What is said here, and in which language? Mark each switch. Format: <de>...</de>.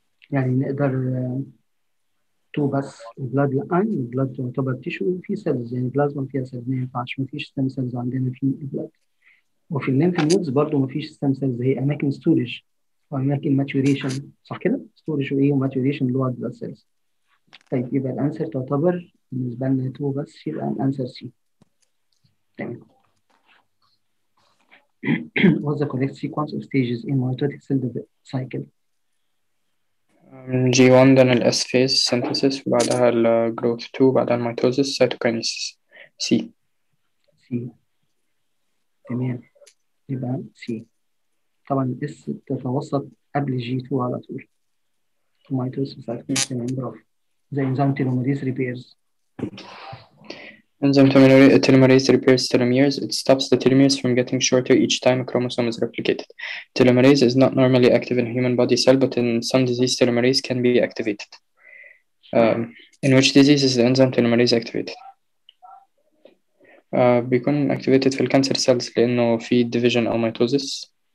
<ar>يعني نقدر تو بس البلاد الان البلاد تعتبر تيشو في سيلز يعني بلازما فيها سيلز ما ينفعش ما فيش ستم سيلز عندنا في البلاد وفي الليمف نودز برضه ما فيش ستم سيلز هي اماكن ستورج واماكن ماتوريشن صح كده؟ ستورج وايه وماتوريشن اللي هو البلاد سيلز طيب يبقى الانسر تعتبر بالنسبه لنا تو بس يبقى الانسر سي تمام</ar> <en>What's the correct sequence of stages in mitotic cell cycle? G1 then the S phase synthesis, بعدها ال growth 2, بعدها mitosis, cytokinesis, C.</en> <ar>C. تمام. يبقى C. طبعا S تتوسط قبل G2 على طول. mitosis, cytokinesis, تمام برافو.</ar> <en>the enzyme telomerase repairs. Enzyme telomerase repairs telomeres. It stops the telomeres from getting shorter each time a chromosome is replicated. Telomerase is not normally active in human body cell, but in some disease, telomerase can be activated. In which disease is the enzyme telomerase activated?</en> <ar>بيكون activated في الكانسر سيلز لأنه في division أو mitosis.</ar>